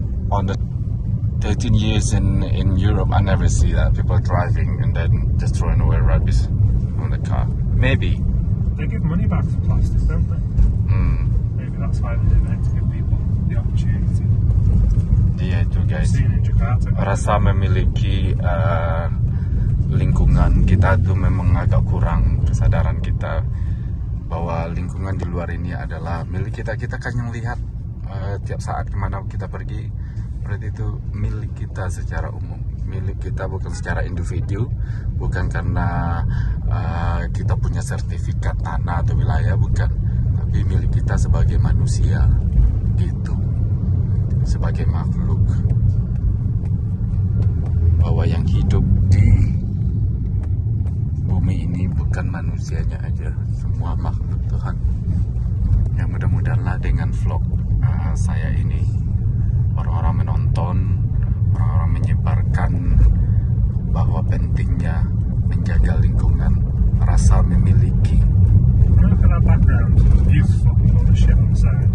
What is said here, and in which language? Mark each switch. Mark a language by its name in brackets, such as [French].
[English] On the 13 years in Europe, I never see that. People driving and then just throwing away rubbish from the car. Maybe. They give money back for plastics, don't they? Mm. Maybe that's why they didn't have to give people the opportunity. Yeah, to guys. I've seen in Jakarta. [Indonesian] Rasa memiliki lingkungan kita tuh memang agak kurang kesadaran kita bahwa lingkungan di luar ini adalah milik kita. Kita kan yang lihat tiap saat kemana kita pergi, berarti itu milik kita secara umum, milik kita bukan secara individu, bukan karena kita punya sertifikat tanah atau wilayah, bukan, tapi milik kita sebagai manusia gitu, sebagai makhluk, bahwa yang hidup di bumi ini bukan manusianya aja, semua makhluk Tuhan. Ya mudah-mudahan lah dengan vlog saya ini, orang-orang menonton, orang-orang menyebarkan bahwa pentingnya menjaga lingkungan, rasa memiliki. [English] Look at that background, beautiful, all the shit on the side.